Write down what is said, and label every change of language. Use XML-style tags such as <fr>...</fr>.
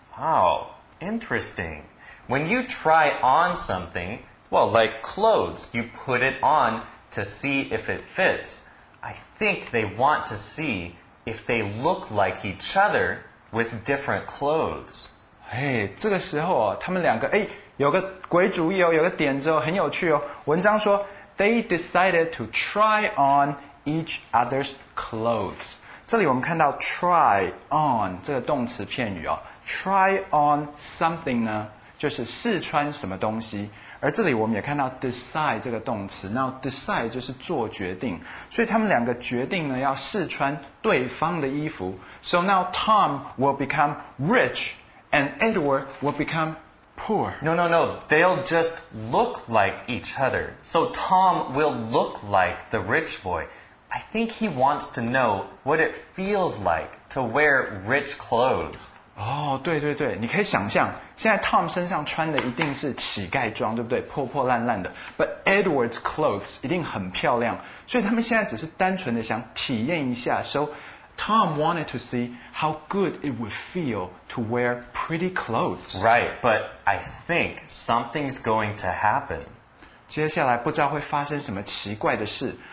<en>Wow, interesting. When you try on something, well, like clothes, you put it on to see if it fits. I think they want to see if they look like each other with different clothes.</en> <zh>Hey, 这个时候哦，他们两个，哎，有个鬼主意哦，有个点子哦，很有趣哦。文章说</zh> <en>,they decided to try on each other's clothes.</en> <zh>这里我们看到 try on 这个动词片语哦 ,try on something 呢就是试穿什么东西，而这里我们也看到 decide 这个动词，那 decide 就是做决定，所以他们两个决定呢要试穿对方的衣服。</zh> <en>So now Tom will become rich and Edward will become poor. No, they'll just look like each other. So Tom will look like the rich boy. I think he wants to know what it feels like to wear rich clothes.</en> <zh>哦，对对对，你可以想象，现在 Tom 身上穿的一定是乞丐装，对不对？破破烂烂的。</zh> <en>But Edward's clothes</en> <zh>一定很漂亮，所以他们现在只是单纯的想体验一下。</zh> <en>So Tom wanted to see how good it would feel to wear pretty clothes. Right, but I think something's going to happen.</en> <zh>接下来不知道会发生什么奇怪的事。</zh>